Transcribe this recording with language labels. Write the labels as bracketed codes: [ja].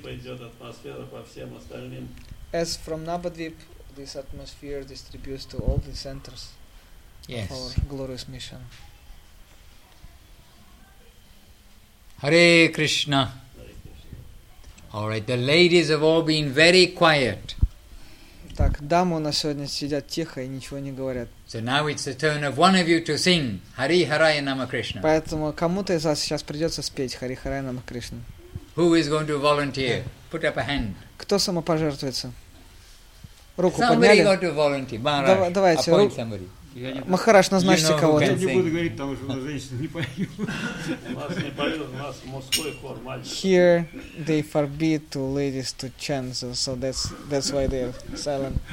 [ru] Пойдет атмосфера по всем остальным. [en] As from Nabadvip, this atmosphere distributes to all the centers of our glorious mission. Hare Krishna. All right, the ladies have all been very quiet. [ru] Так, дамы у нас сегодня сидят тихо и ничего не говорят. [en] So now it's the turn of one of you to sing Hari Haraya Nama Krishna. [ru] Поэтому кому-то из вас сейчас придется спеть Hari Haraya Nama Krishna. [en] Who is going to volunteer? Put up a hand. [ru] Кто самопожертвуется? Руку [en] somebody [ru] подняли? [en] Got to volunteer. Maharaj, [ru] давайте. [en] Appoint somebody. [ru] Махарадж, назначьте [en] you know, [ru] кого-то. Я не буду говорить, потому что женщины не поют. У нас не поют, у нас мужской хор, мальчик. [en] Here they forbid to ladies to chant, so that's why they are silent.